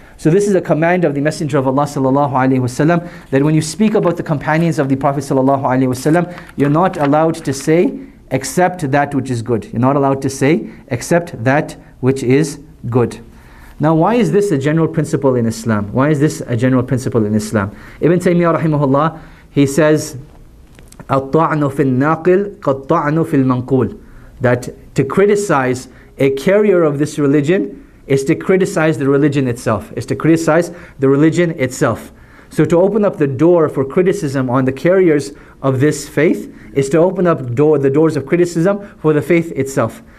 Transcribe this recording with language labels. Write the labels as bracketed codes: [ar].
[en] So this is a command of the Messenger of Allah [ar] sallallahu alaihi wasallam, [en] that when you speak about the companions of the Prophet sallallahu alaihi wasallam, you're not allowed to say except that which is good. You're not allowed to say except that which is good. Now, why is this a general principle in Islam? Why is this a general principle in Islam? [ar] Ibn Taymiyyah rahimahullah, [en] he says, [ar] "الطعن في الناقل كالطعن في المنقول." [en] That to criticize a carrier of this religion is to criticize the religion itself. Is to criticize the religion itself. So to open up the door for criticism on the carriers of this faith is to open up the doors of criticism for the faith itself.